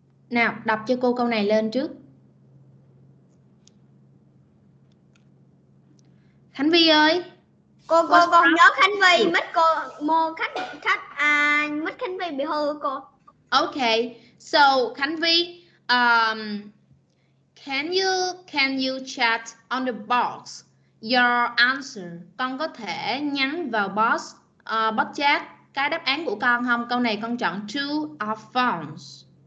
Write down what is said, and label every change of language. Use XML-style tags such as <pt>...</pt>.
<vi>Nào, đọc cho cô câu này lên trước. Khánh Vy ơi. Cô nhớ Khánh Vy, mất cô mô khách à, mất Khánh Vy bị hư cô.</vi> <en>Okay. So, Khánh Vy, can you chat on the box your answer?</en> <vi>Con có thể nhắn vào box chat cái đáp án của con không? Câu này con chọn</vi> <en>true or false.</en>